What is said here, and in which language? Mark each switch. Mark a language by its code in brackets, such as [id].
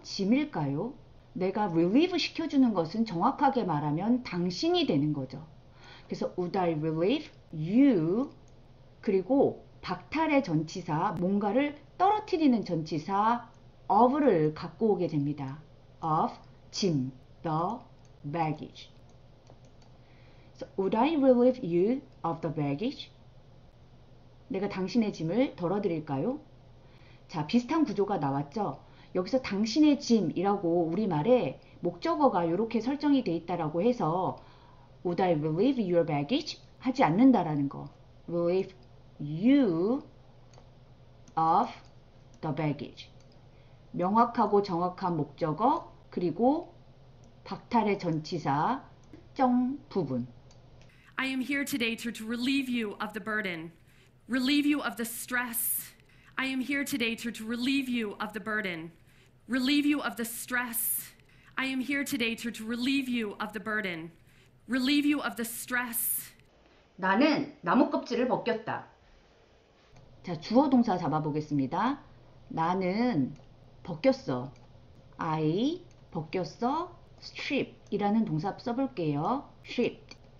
[ko] 짐일까요? 내가 relieve 시켜주는 것은 정확하게 말하면 당신이 되는 거죠. [en] 그래서 would I relieve you? [ko] 그리고 박탈의 전치사, 뭔가를 떨어뜨리는 전치사 of를 갖고 오게 됩니다. [en] of, 짐, the baggage. So, would I relieve you of the baggage? [ko] 내가 당신의 짐을 덜어드릴까요? 자, 비슷한 구조가 나왔죠? 여기서 당신의 짐이라고 우리말에 목적어가 이렇게 설정이 되어 있다라고 해서 [en] would I relieve your baggage? [ko] 하지 않는다라는 거. [en] relieve you of the baggage. [ko] 명확하고 정확한 목적어 그리고 박탈의 전치사 특정 부분. [en] I am here today to relieve you of the burden. Relieve you of the stress. I am here today to relieve you of the burden. Relieve you of the stress. I am here today to relieve you of the burden. Relieve you of the stress. [ko] 나는 나무 껍질을 벗겼다. 자, 주어 동사 잡아보겠습니다. 나는 벗겼어. I 벗겼어. Strip 이라는 동사 써볼게요. Strip.